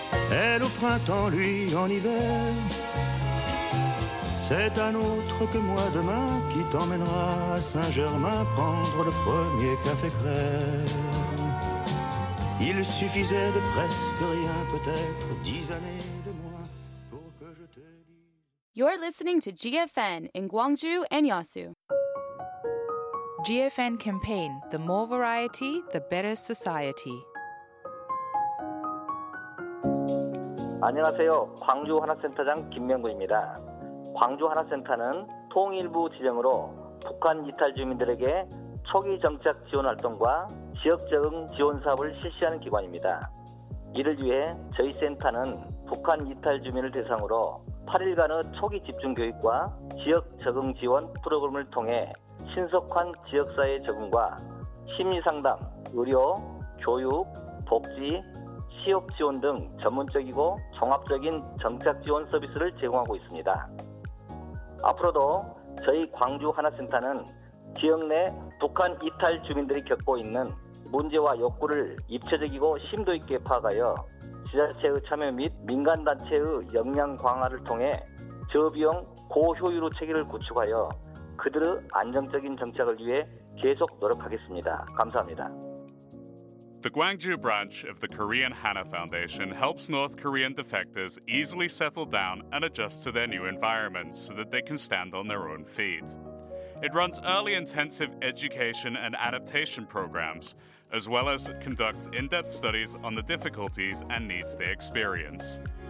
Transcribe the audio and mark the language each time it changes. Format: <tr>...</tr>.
<fr>Elle au printemps, lui en hiver. C'est un autre que moi demain qui t'emmènera à Saint-Germain prendre le premier café crème. Il suffisait de presque rien, peut-être 10 années de moi pour que je te dise.</fr> <en>You're listening to GFN in Gwangju and Yeosu. GFN campaign, the more variety, the better society.</en> <ko>안녕하세요. 광주 하나센터장 김명구입니다. 광주 하나센터는 통일부 지정으로 북한 이탈 주민들에게 초기 정착 지원 활동과 지역 적응 지원 사업을 실시하는 기관입니다. 이를 위해 저희 센터는 북한 이탈 주민을 대상으로 8일간의 초기 집중 교육과 지역 적응 지원 프로그램을 통해 신속한 지역사회 적응과 심리상담, 의료, 교육, 복지, 취업지원 등 전문적이고 종합적인 정착지원 서비스를 제공하고 있습니다. 앞으로도 저희 광주 하나센터는 지역 내 북한 이탈 주민들이 겪고 있는 문제와 욕구를 입체적이고 심도 있게 파악하여 지자체의 참여 및 민간단체의 역량 강화를 통해 저비용 고효율의 체계를 구축하여 그들의 안정적인 정착을 위해 계속 노력하겠습니다. 감사합니다.</ko> <en>The Gwangju branch of the Korean Hana Foundation helps North Korean defectors easily settle down and adjust to their new environments so that they can stand on their own feet. It runs early intensive education and adaptation programs, as well as conducts in-depth studies on the difficulties and needs they experience.</en>